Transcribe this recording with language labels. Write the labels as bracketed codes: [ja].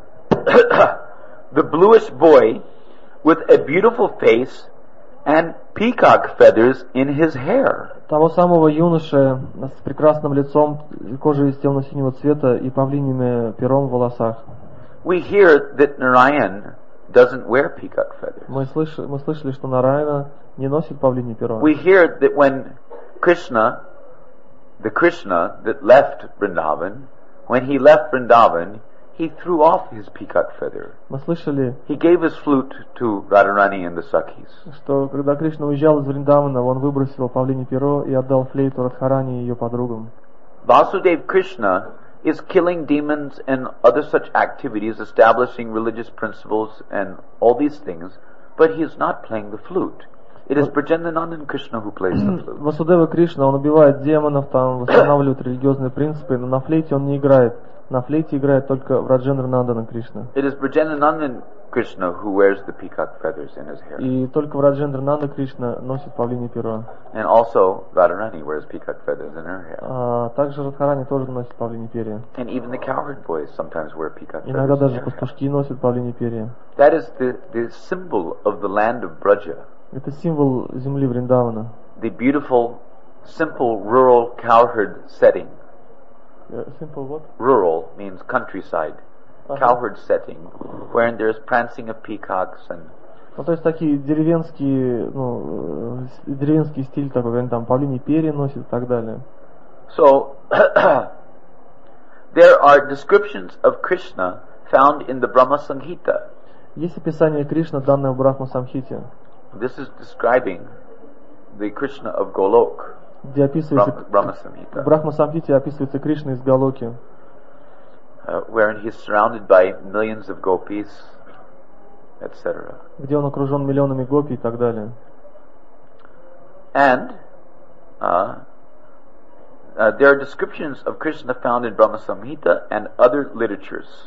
[en] The bluish boy with a beautiful face and peacock feathers in his hair. [ru] Того самого юноши с прекрасным лицом, кожей темно-синего цвета и павлиньим пером в волосах. [en] We hear that Narayan doesn't wear peacock feathers. [ru] Мы слышали, что Нараяна не носит павлинье перо. [en] We hear that when Krishna, the Krishna that left Vrindavan, when he left Vrindavan, he threw off his peacock feather. [ru] Мы слышали. [en] He gave his flute to Radharani and the Sakis. [ru] Что когда Кришна уезжал из Вриндавана, он выбросил павлинье перо и отдал флейту Радхарани и ее подругам. [en] Vasudev Krishna is killing demons and other such activities, establishing religious principles and all these things, but he is not playing the flute. It is Brajendranand and Krishna who plays the flute. [ru] Vasudeva Krishna, он убивает демонов, там восстанавливает религиозные принципы, но на флейте он не играет. На флейте играет только Враджендранандана Кришна. [en] It is Brajendranand and Krishna who wears the peacock feathers in his hair. [ru] И только Враджендрананда Кришна носит павлинье перо. [en] And also Radharani wears peacock feathers in her hair. [ru] Также Радхарани тоже носит павлинье перо. [en] And even the cowherd boys sometimes wear peacock feathers. [ru] Иногда даже пастушки носят павлинье перо. [en] That is the symbol of the land of Braja. [ru] Это символ земли Вриндавана. [en] The beautiful, simple rural cowherd setting. Simple what? Rural means countryside. Cowherd setting, wherein there is prancing of peacocks and. [ru] Ну то есть такие деревенский стиль такой, когда там павлиньи перья носят и так далее. [en] So there are descriptions of Krishna found in the Brahma Samhita. [ru] Есть описание Кришны, данное в Брахма Самхите. [en] This is describing the Krishna of Golok. [ru] Где описывается Brahma Samhita. В Брахма Самхите описывается Кришна из Голоки. [en] Wherein he is surrounded by millions of gopis, etc. [ru] Где он окружен миллионами гопи и так далее. [en] And there are descriptions of Krishna found in Brahma Samhita and other literatures.